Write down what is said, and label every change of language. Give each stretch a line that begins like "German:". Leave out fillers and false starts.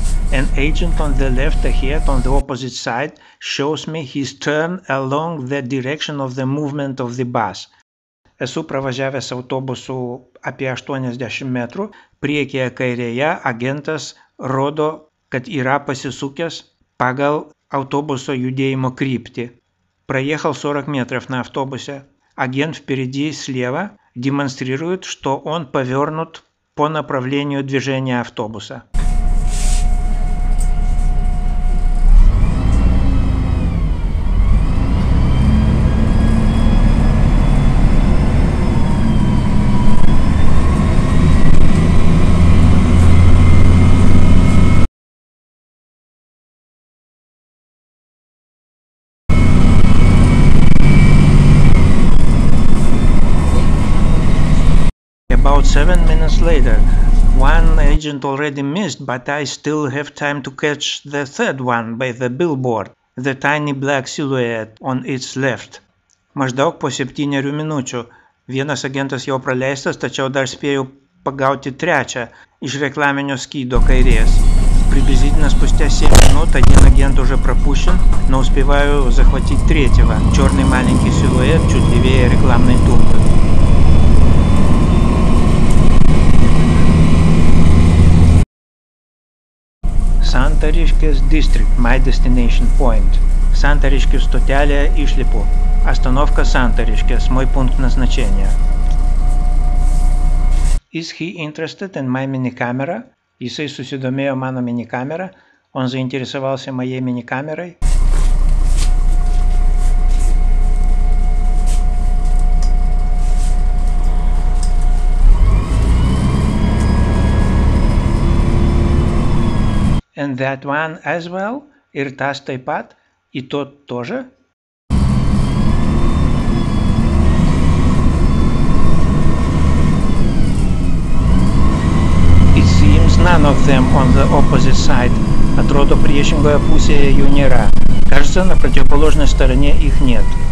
English: An agent on the left ahead on the opposite side shows me his turn along the direction of the movement of the bus.
Lithuanian: Esu pravažiavęs autobusu apie 80 metrų, priekyje kairėje agentas rodo, kad yra pasisukęs pagal autobuso judėjimo kryptį. Praėjęs 40 metrų nuo autobuso, agent
Russian: впереди слева demonstrирует, что он повернут по направлению движения автобуса.
English: About 7 minutes later, one agent already missed, but I still have time to catch the third one by the billboard, the tiny black silhouette on its left.
Lithuanian: Maždaug po 7 minučių. Vienas agentas jau praleistas, tačiau dar spėjau pagauti trečią iš reklaminio skydo kairės.
Russian: Приблизительно спустя 7 минут один агент уже пропущен, но успеваю захватить третьего. Черный маленький силуэт чуть левее рекламной тумбы.
English: Santariškės district, my destination point.
Lithuanian: Santariškių stotelėje išlipu.
Russian: Astanovka Santariškės, мой пункт назначения.
English: Is he interested in my mini camera?
Lithuanian: Jisai susidomėjo mano mini kamerą.
Russian: Он заинтересовался моей mini камерой.
English: And that one as well?
Lithuanian: Ir tas taip pat?
Russian: И тот тоже?
English: It seems none of them on the opposite side.
Lithuanian: Atrodo priešingoje pusėje jų nėra.
Russian: Кажется, на противоположной стороне их нет.